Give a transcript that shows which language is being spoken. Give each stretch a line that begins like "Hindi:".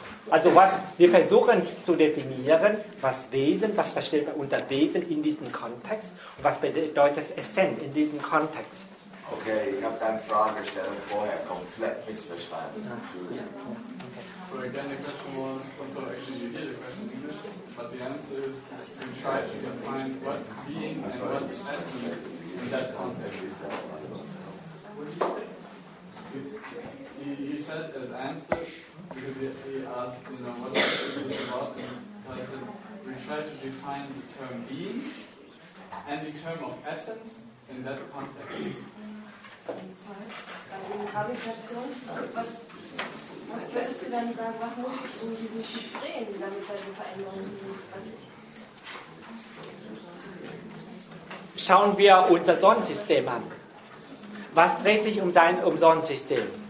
German: Also was wir versuchen zu definieren, was Wesen, was versteht man unter Wesen in diesem Kontext und was bedeutet Essenz in diesem Kontext? Okay, ich habe deine Fragestellung vorher komplett missverstanden. Ja. Okay.
English: So again, the question was, also actually you hear the question in English, but the answer is to try to define what's being and what's essence in that context. What did you say? He said as answer, because he asked, you know, what is this about? Person, we try to define the term being and the term of essence in that context. Mm-hmm.
German: Was würdest du dann sagen, was muss ich um diesen Schritt drehen, damit da die Veränderung passiert? Schauen wir unser Sonnensystem an. Was dreht sich um sein Sonnensystem?